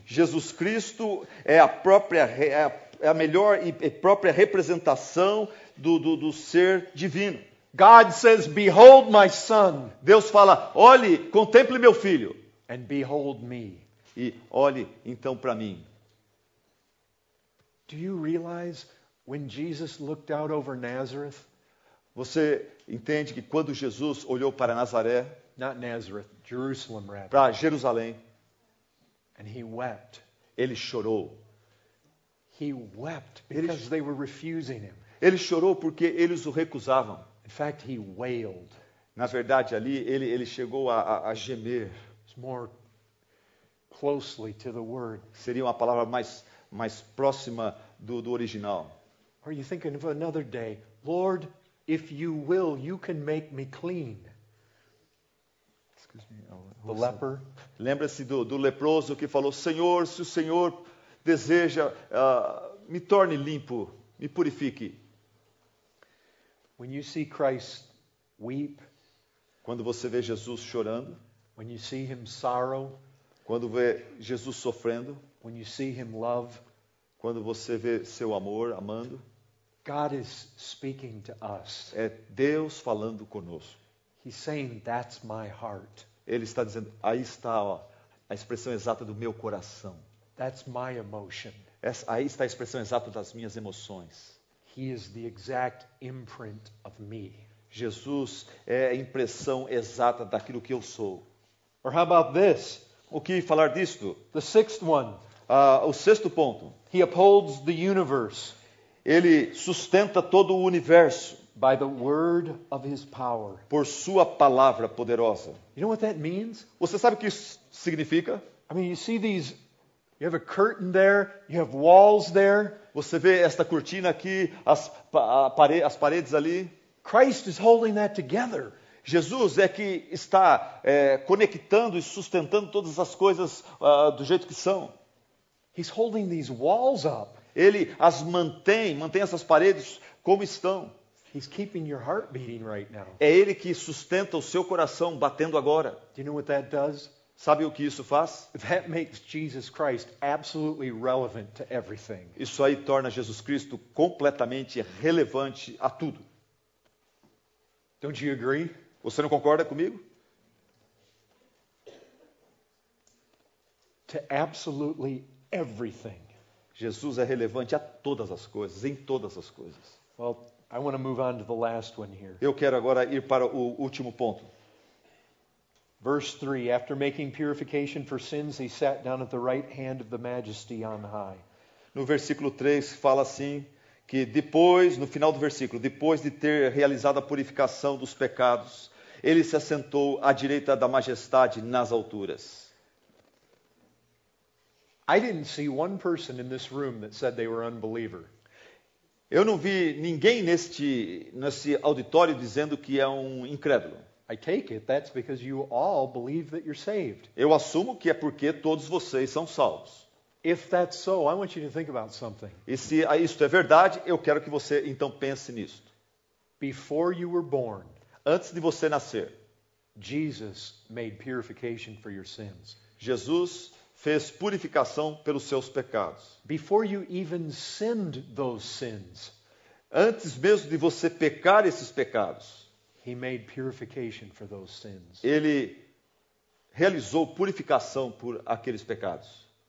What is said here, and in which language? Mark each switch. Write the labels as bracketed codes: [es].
[pt] Jesus Cristo é a própria, é a melhor e própria representação do ser divino. [en] God says, "Behold my son." [pt] Deus fala, olhe, contemple meu filho. [en] And behold me. [pt] E olhe então para mim. [en] Do you realize when Jesus looked out over Nazareth? [pt] Você entende que quando Jesus olhou para Nazaré? [en] Not Nazareth, Jerusalem rather. [pt] Para Jerusalém. [en] And he wept. [pt] Ele chorou. [en] He wept because they were refusing him. [pt] Ele chorou porque eles o recusavam. [en] In fact, he wailed. [pt] Na verdade, ali ele chegou a gemer. [en] More, closely to the word. [pt] Seria uma palavra mais próxima do original. [en] Are you thinking of another day? Lord, if you will, you can make me clean. Excuse me. The leper. [pt] Lembra-se do leproso que falou: Senhor, se o Senhor deseja, me torne limpo, me purifique. [en] When you see Christ weep, [pt] quando você vê Jesus chorando, [en] when you see him sorrow, [pt] quando vê Jesus sofrendo, [en] when you see him love, [pt] quando você vê seu amor amando, [en] God is speaking to us. [pt] É Deus falando conosco. [en] He's saying, "That's my heart." [pt] Ele está dizendo: aí está, ó, a expressão exata do meu coração. [en] That's my emotion. [pt] Aí está a expressão exata das minhas emoções. [en] He is the exact imprint of me. [pt] Jesus é a impressão exata daquilo que eu sou. [en] Or how about this? [pt] O que falar disto? [en] The sixth one. [pt] O sexto ponto. [en] He upholds the universe. [pt] Ele sustenta todo o universo. [en] By the word of his power. [pt] Por sua palavra poderosa. [en] You know what that means? [pt] Você sabe o que isso significa? [en] I mean, you see these. You have a curtain there. You have walls there. [pt] Você vê esta cortina aqui, as paredes ali. [en] Christ is holding that together. [pt] Jesus é que está conectando e sustentando todas as coisas do jeito que são. [en] He's holding these walls up. [pt] Ele as mantém essas paredes como estão. [en] He's keeping your heart beating right now. [pt] É Ele que sustenta o seu coração batendo agora. [en] Do you know what that does? [pt] Sabe o que isso faz? [en] That makes Jesus Christ absolutely relevant to everything. [pt] Isso aí torna Jesus Cristo completamente relevante a tudo. [en] Don't you agree? [pt] Você não concorda comigo? [en] To absolutely everything. [pt] Jesus é relevante a todas as coisas, em todas as coisas. [en] Well, I want to move on to the last one here. [pt] Eu quero agora ir para o último ponto. [en] Verse 3, after making purification for sins, he sat down at the right hand of the majesty on high. [pt] No versículo 3 fala assim, que depois, no final do versículo, depois de ter realizado a purificação dos pecados, ele se assentou à direita da majestade nas alturas. [en] I didn't see one person in this room that said they were unbeliever. [pt] Eu não vi ninguém nesse auditório dizendo que é um incrédulo. [en] I take it that's because you all believe that you're saved. [pt] Eu assumo que é porque todos vocês são salvos. [en] If that's so, I want you to think about something. [pt] E se isto é verdade, eu quero que você então pense nisto. [en] Before you were born, [pt] antes de você nascer, [en] Jesus made purification for your sins. [pt] Jesus fez purificação pelos seus pecados. [en] Before you even sinned those sins, [pt] antes mesmo de você pecar esses pecados, [en] he made purification for those sins. [pt] Ele realizou purificação por aqueles pecados.